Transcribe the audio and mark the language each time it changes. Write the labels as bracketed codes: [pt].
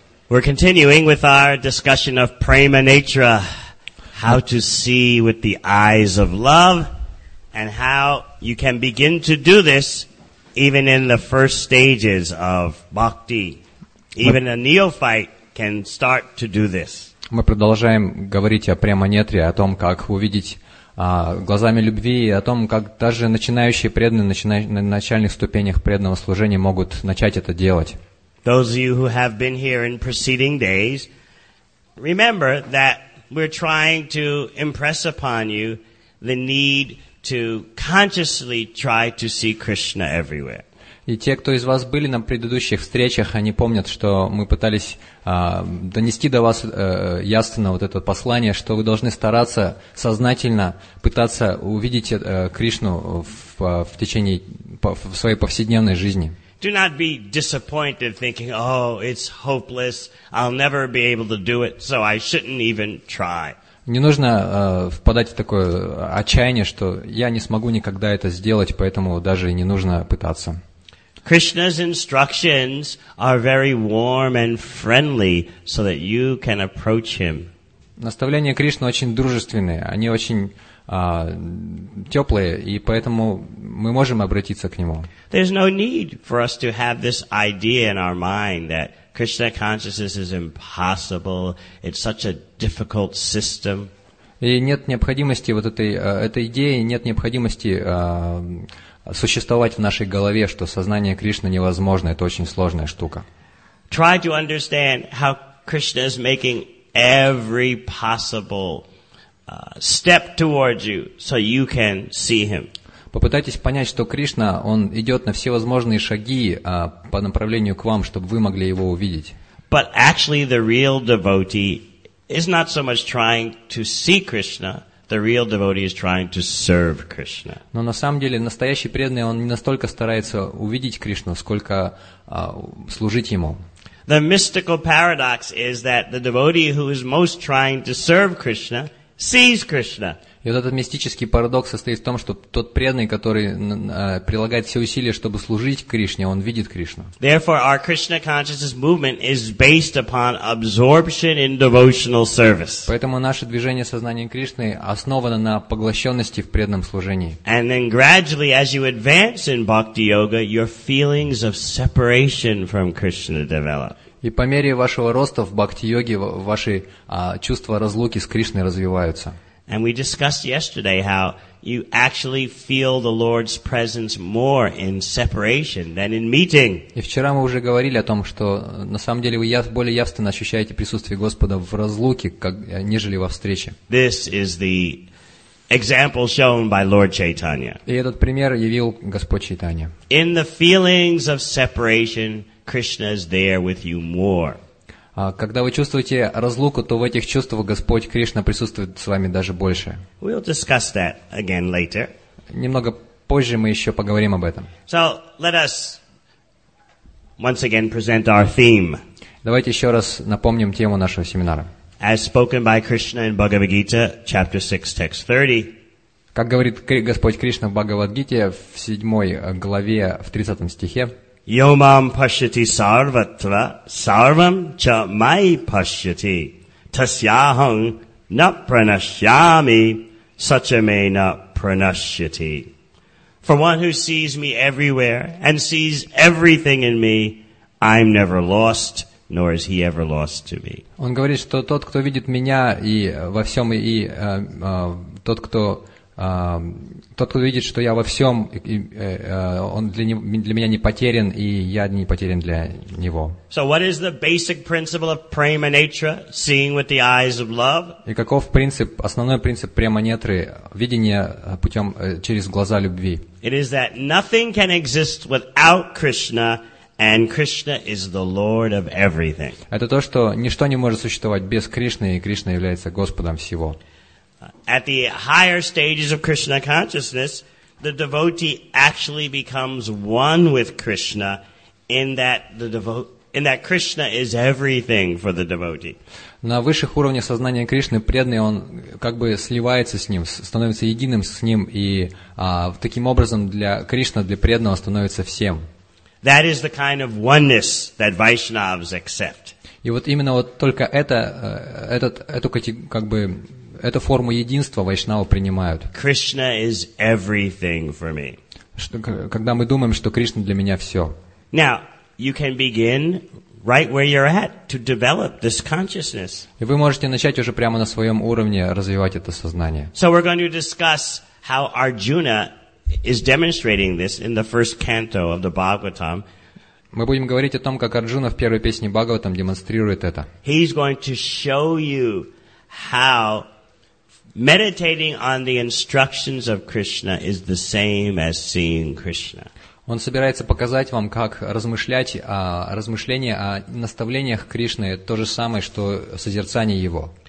[en] We're continuing with our discussion of prema natura, how to see with the eyes of love, and how you can begin to do this even in the first stages of bhakti. Even a neophyte can start to do this. [ru] Мы продолжаем говорить о према-нетре, о том, как увидеть глазами любви, и о том, как даже начинающие преданные на начальных ступенях преданного служения могут начать это делать. [en] Those of you who have been here in preceding days, remember that we're trying to impress upon you the need to consciously try to see Krishna everywhere. [ru] И те, кто из вас были на предыдущих встречах, они помнят, что мы пытались донести до вас ясно вот это послание, что вы должны стараться сознательно пытаться увидеть Кришну в течение в своей повседневной жизни. [en] Do not be disappointed thinking, oh, it's hopeless, I'll never be able to do it, so I shouldn't even try. [ru] Не нужно впадать в такое отчаяние, что я не смогу никогда это сделать, поэтому даже не нужно пытаться. [en] Krishna's instructions are very warm and friendly so that you can approach him. [ru] Наставления Кришны очень дружественные, они очень теплые, и поэтому мы можем обратиться к нему. [en] There's no need for us to have this idea in our mind that Krishna consciousness is impossible, it's such a difficult system. [ru] И нет необходимости вот этой идеи, нет необходимости существовать в нашей голове, что сознание Кришны невозможно, это очень сложная штука. [en] Try to understand how Krishna is making every possible step towards you, so you can see him. [ru] Попытайтесь понять, что Кришна, он идет на всевозможные шаги по направлению к вам, чтобы вы могли его увидеть. [en] But actually, the real devotee is not so much trying to see Krishna. The real devotee is trying to serve Krishna. [ru] Но на самом деле настоящий преданный, он не настолько старается увидеть Кришну, сколько служить ему. [en] The mystical paradox is that the devotee who is most trying to serve Krishna sees Krishna. [ru] И вот этот мистический парадокс состоит в том, что тот преданный, который прилагает все усилия, чтобы служить Кришне, он видит Кришну. [en] Therefore, our Krishna consciousness movement is based upon absorption in devotional service. [ru] Поэтому наше движение сознания Кришны основано на поглощенности в преданном служении. [en] And then gradually, as you advance in bhakti yoga, your feelings of separation from Krishna develop. [ru] И по мере вашего роста в бхакти-йоге ваши чувства разлуки с Кришной развиваются. [en] And we discussed yesterday how you actually feel the Lord's presence more in separation than in meeting. [ru] И вчера мы уже говорили о том, что на самом деле вы более явственно ощущаете присутствие Господа в разлуке, нежели во встрече. [en] This is the example shown by Lord Chaitanya. [ru] И этот пример явил Господь Чайтанья. [en] In the feelings of separation, Krishna is there with you more. [ru] Когда вы чувствуете разлуку, то в этих чувствах Господь Кришна присутствует с вами даже больше. [en] We'll discuss that again later. [ru] Немного позже мы еще поговорим об этом. [en] So let us once again present our theme. [ru] Давайте еще раз напомним тему нашего семинара. [en] As spoken by Krishna in Bhagavad Gita, chapter 6, text 30. [ru] Как говорит Господь Кришна в Бхагавадгите в 7 главе в 30 стихе. [sa] Yomam pashyati sarvatra sarvam cha mai pashyati tasyaham na pranashyami sachamena pranashyati. [en] For one who sees me everywhere and sees everything in me, I'm never lost, nor is he ever lost to me. [ru] Он говорит, что тот, кто видит меня и во всем, и тот, кто тот, кто видит, что я во всем, он для меня не потерян, и я не потерян для него. [en] So what is the basic principle of prema natura, seeing with the eyes of love? [ru] И каков принцип, основной принцип према нетры, видение путем через глаза любви? [en] It is that nothing can exist without Krishna, and Krishna is the Lord of everything. [ru] Это то, что ничто не может существовать без Кришны, и Кришна является Господом всего. [en] At the higher stages of Krishna consciousness, the devotee actually becomes one with Krishna in that Krishna is everything for the devotee. [ru] На высших уровнях сознания Кришны преданный, он как бы сливается с ним, становится единым с ним, и таким образом для Кришна, для преданного становится всем. [en] That is the kind of oneness that Vaishnavas accept. [ru] И вот именно вот только это, этот, эту как бы эту форму единства Вайшнавы принимают. [en] Krishna is everything for me. [ru] Что, когда мы думаем, что Кришна для меня все. [en] Now you can begin right where you're at to develop this consciousness. [ru] И вы можете начать уже прямо на своем уровне развивать это сознание. [en] So we're going to discuss how Arjuna is demonstrating this in the first canto of the Bhagavatam. [ru] Мы будем говорить о том, как Арджуна в первой песне Бхагаватам демонстрирует это. [en] He's going to show you how meditating on the instructions of Krishna is the same as seeing Krishna. [ru] Он собирается показать вам, как размышления о наставлениях Кришны то же самое, что созерцание его.